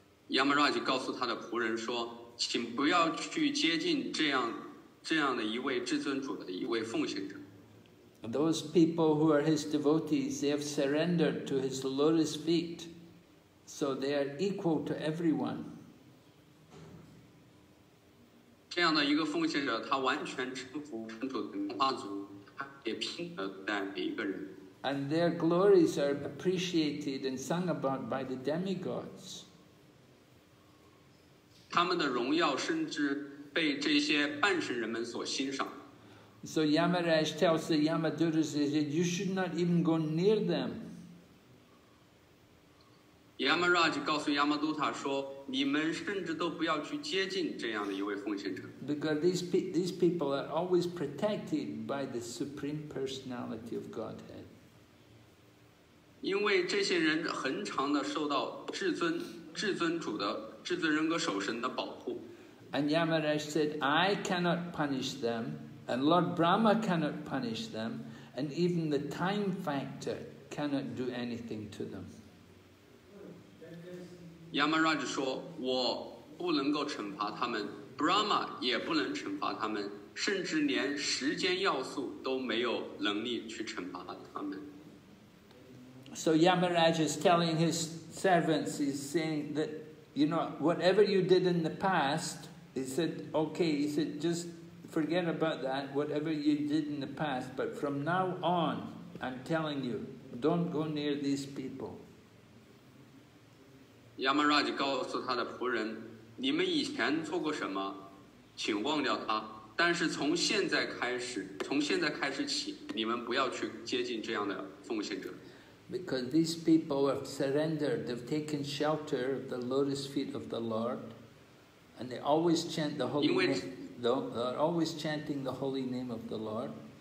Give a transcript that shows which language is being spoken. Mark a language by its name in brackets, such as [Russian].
[Chinese] Yamaraj 告诉他的仆人说，请不要去接近这样的一位至尊主的一位奉献者。 [English] Those people who are his devotees, they have surrendered to his lotus feet, so they are equal to everyone. [Chinese] 这样的一个奉献者，他完全臣服真主的莲花足，也平等待每一个人。 [English] And their glories are appreciated and sung about by the demigods. [Chinese] 他们的荣耀甚至被这些半神人们所欣赏。 [English] So Yamaraj tells the Yamaduras, he said, you should not even go near them. [Chinese] Yamaraj 告诉 Yamaduta 说，你们甚至都不要去接近这样的一位奉献者。 [English] Because these people are always protected by the Supreme Personality of Godhead. [Chinese] 因为这些人恒常地受到至尊主的至尊人格守神的保护。 [English] And Yamaraj said, I cannot punish them, and Lord Brahma cannot punish them, and even the time factor cannot do anything to them. [Chinese] Yamaraj 说，我不能够惩罚他们， Brahma 也不能惩罚他们，甚至连时间要素都没有能力去惩罚他们。 [English] So Yamaraj is telling his servants, he's saying that, you know, whatever you did in the past, he said, okay, he said, just forget about that, whatever you did in the past, but from now on, I'm telling you, don't go near these people. [Chinese] Yamaraj 告诉他的仆人，你们以前做过什么，请忘掉他，但是从现在开始起，你们不要去接近这样的奉献者。 [English] Because these people have surrendered, they've taken shelter of the lotus feet of the Lord, and they always chant the holy name. They're always chanting the holy name of the Lord.